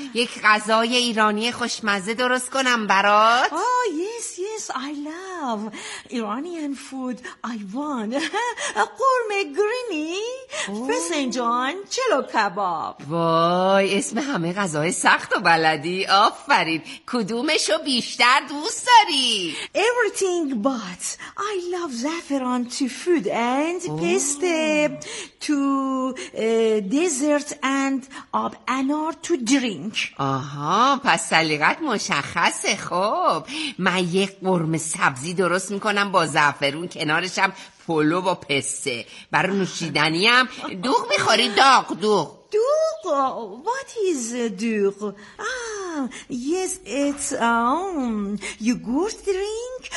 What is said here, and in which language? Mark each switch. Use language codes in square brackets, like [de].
[fa] یک غذای ایرانی خوشمزه درست کنم برات؟ [en] Yes, I love Iranian food. I want قرمه گرینی، فسنجان، چلو کباب. [fa] وای اسم همه غذای سخت و بلدی، آفرین. کدومشو بیشتر دوست داری؟ [en] Everything but I love زعفران to food and pesto to dessert and آب انار to drink. [fa] آها پس سلیقت مشخصه. خب من یک قرمه سبزی درست میکنم با زعفرون، کنارشم پلو با پسته. برای نوشیدنیم دوغ میخوری؟ داغ. [en] دوغ؟ What is دوغ؟ Yes, it's yogurt drink.